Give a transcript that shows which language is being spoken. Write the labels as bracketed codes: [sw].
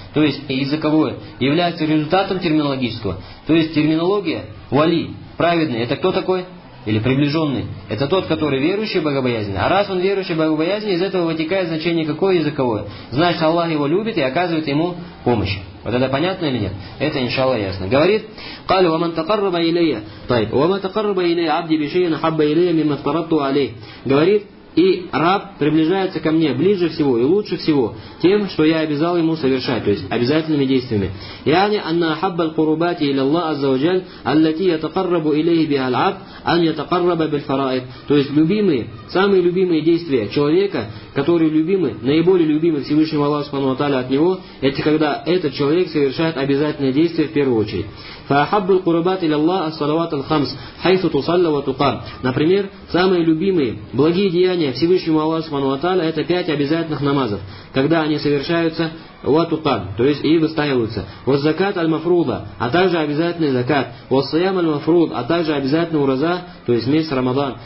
[ru] То есть языковое является результатом терминологического. То есть терминология вали, праведный, это кто такой? Или приближенный, это тот, который верующий и богобоязненный. А раз он верующий и богобоязненный, из этого вытекает значение какое языковое. Значит, Аллах его любит и оказывает ему помощь. Вот это понятно или нет? Это, иншаллах, ясно. [ar] Говорит, قال ومن تقرب إلي طيب ومن تقرب إلي عبدي بشيء حب إلي مما افترضت عليه. [ru] Говорит, и раб приближается ко мне ближе всего и лучше всего тем, что я обязал ему совершать, то есть обязательными действиями. [ar] يعني أن أحب القربات إلى الله عز وجل التي يتقرب إليه بها العبد أن يتقرب بالفرائض. [ru] То есть любимые, самые любимые действия человека, которые любимы, наиболее любимы Всевышним Аллахом Субхану ва Тааля от него, это когда этот человек совершает обязательные действия в первую очередь. [ar] فأحب القربات إلى الله الصلوات الخمس حيث تصلى وتقام. [ru] Например, самые любимые благие действия Всевышнему Аллаху Субхану ва Тааля это 5 обязательных намазов, когда они совершаются ватукан, то есть и выстаиваются. Вот закат аль-мафруда, а также обязательный закат. Вот саям аль-мафруд, а также обязательный ураза, то есть месяц Рамадан.